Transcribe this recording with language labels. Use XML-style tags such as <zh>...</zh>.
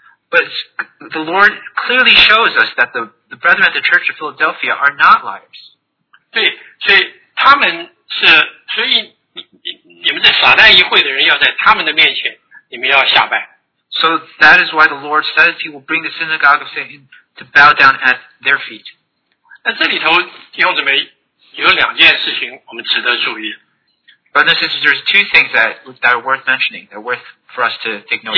<en>But the Lord clearly shows us that the brethren at the Church of Philadelphia are not liars.</en> <zh>对，所以他们是，所以你们这撒旦议会的人要在他们的面前，你们要下拜。</zh> <en>So that is why the Lord says He will bring the synagogue of Satan to bow down at their feet.</en> <zh>那这里头弟兄姊妹有两件事情我们值得注意。</zh> <en>Brothers and sisters, there's two things that are worth mentioning, that are worth for us to take note of.</en>